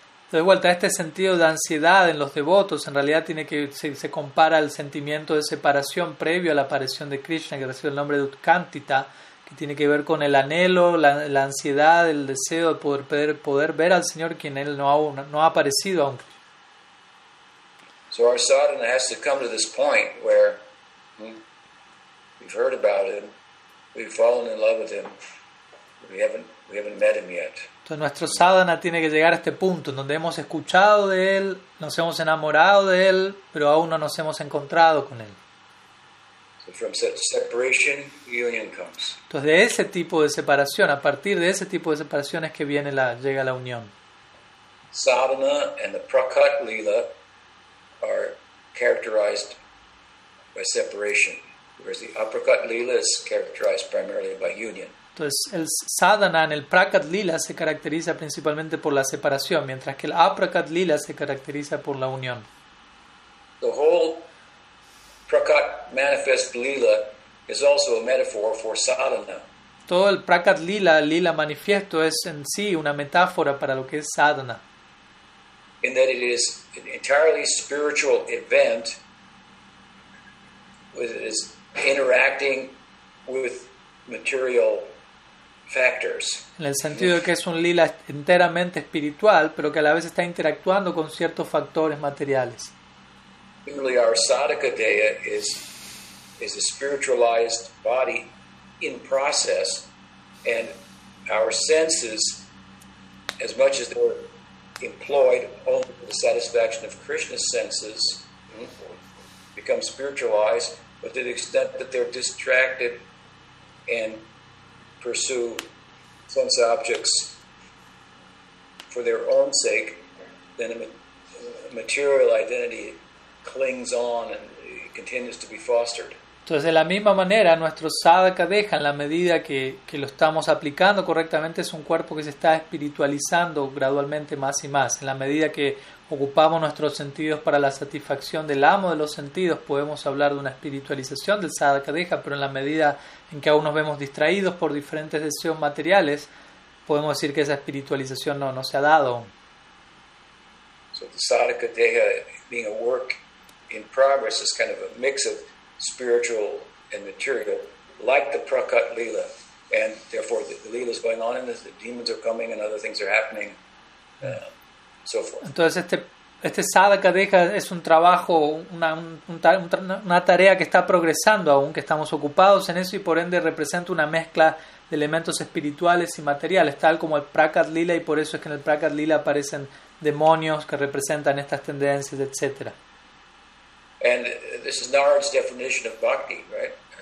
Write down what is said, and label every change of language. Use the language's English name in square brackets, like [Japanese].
[Spanish] De vuelta, este sentido de ansiedad en los devotos en realidad tiene que se compara al sentimiento de separación previo a la aparición de Krishna, que recibe el nombre de utkantita, que tiene que ver con el anhelo, la ansiedad, el deseo de poder ver al Señor, quien él no ha aparecido aún. [English] So our sadhana has to come to this point where we've heard about him, we've fallen in love with him, we haven't met him yet. [Spanish] Entonces nuestro sadhana tiene que llegar a este punto en donde hemos escuchado de él, nos hemos enamorado de él, pero aún no nos hemos encontrado con él. [English] So from separation, union comes. [Spanish] Entonces de ese tipo de separación, a partir de ese tipo de separación es que llega la unión. [English] Sadhana and the prakat lila are characterized by separation, whereas the aprakat lila is characterized primarily by union. [Spanish] Entonces, el sadhana en el prakat lila se caracteriza principalmente por la separación, mientras que el aprakat lila se caracteriza por la unión. [English] The whole prakat manifest lila is also a metaphor for sadhana. [Spanish] Todo el prakat lila manifiesto es en sí una metáfora para lo que es sadhana. [English] In that it is an entirely spiritual event with it is interacting with material factors. [Spanish] En el sentido de que es un lila enteramente espiritual, pero que a la vez está interactuando con ciertos factores materiales. [English] Similarly, our sadhaka deya is a spiritualized body in process, and our senses, as much as they're employed only for the satisfaction of Krishna's senses, become spiritualized, but to the extent that they're distracted and pursue sense objects for their own sake, then a material identity clings on and continues to be fostered. [Spanish] Entonces, de la misma manera, nuestro sadhaka deja, en la medida que lo estamos aplicando correctamente, es un cuerpo que se está espiritualizando gradualmente más y más. En la medida que ocupamos nuestros sentidos para la satisfacción del amo de los sentidos, podemos hablar de una espiritualización del sadhaka deja, pero en la medida en que aún nos vemos distraídos por diferentes deseos materiales, podemos decir que esa espiritualización no se ha dado. [English] So the sadhaka deha being a work in progress is kind of a mix of spiritual and material, like the Prakat Leela, and therefore the Leela is going on, and the demons are coming, and other things are happening, so forth. [Spanish] Entonces este sadhaka deja es un trabajo, una tarea que está progresando aún, que estamos ocupados en eso, y por ende representa una mezcla de elementos espirituales y materiales, tal como el Prakat Leela, y por eso es que en el Prakat Leela aparecen demonios que representan estas tendencias, etc. [English] And this is Narada's definition of bhakti, right?